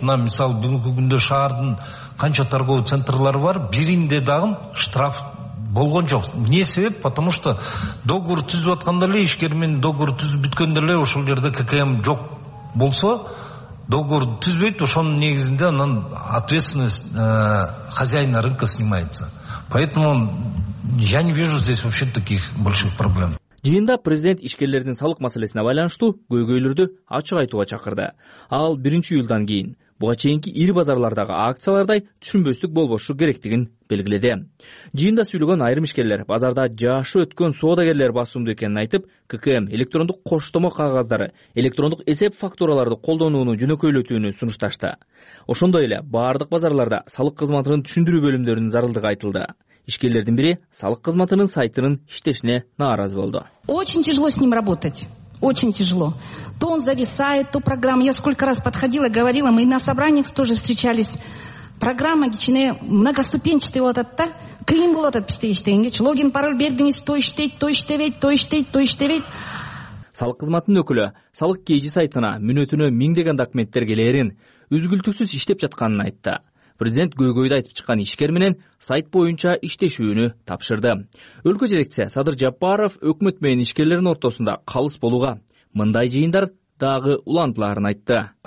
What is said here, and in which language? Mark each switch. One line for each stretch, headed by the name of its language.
Kyrgyz: Мына мисалы бүгүнкү күндө шаардын канча торговый центрлери бар, биринде дагы штраф болгон жок. Эмне себеп?
Russian: Потому что
Kyrgyz: договор түзүп атканда эле, ишкер менен договор түзүп бүткөндө эле ошол жерде ККМ жок болсо, договор түзбөйт, ошонун негизинде анан
Russian: ответственность хозяина рынка снимается. Поэтому я не вижу здесь вообще таких больших проблем.
Kyrgyz: Жыйында президент ишкерлердин салык маселесине байланыштуу көйгөйлөрдү ачык айтууга чакырды. Ал 1-июлдан кийин буга чейинки ири базарлардагы акциялардай түшүнбөстүк болбошу керектигин белгиледи. Жыйында сүйлөгөн айрым ишкерлер базарда жашы өткөн соодагерлер басымдуу экенин айтып, ККМ электрондук коштомо кагаздары, электрондук эсеп фактураларды колдонууну жөнөкөйлөтүүнү сунушташты. Ошондой эле баардык базарларда салык кызматынын түшүндүрүү бөлүмдөрүнүн зарылдыгы айтылды. Ишкерлердин бири салык кызматынын сайтынын иштешине нааразы болду.
Russian: Очень тяжело с ним работать. Очень тяжело. То он зависает, то программа. Я сколько раз подходила, говорила, мы на собраниях тоже встречались.
Kyrgyz: Программа кичине
Russian: многоступенчатый вот этот,
Kyrgyz: кыйын болот этот иштегенге. Логин, пароль бердиңиз, то иштейт, то иштебейт, то иштейт, то иштебейт. Салык кызматынын өкүлү салык кежи сайтына мүнөтүнө миңдеген документтер келерин, үзгүлтүксүз иштеп жатканын айтты. Президент көйгөйдө айтып чыккан ишкер менен сайт боюнча иштешүүнү тапшырды. Өлкө жетекчиси Садыр Жапаров өкмөт менен ишкерлердин ортосунда калыс болууга мындай жыйындар дагы улантыларын айтты.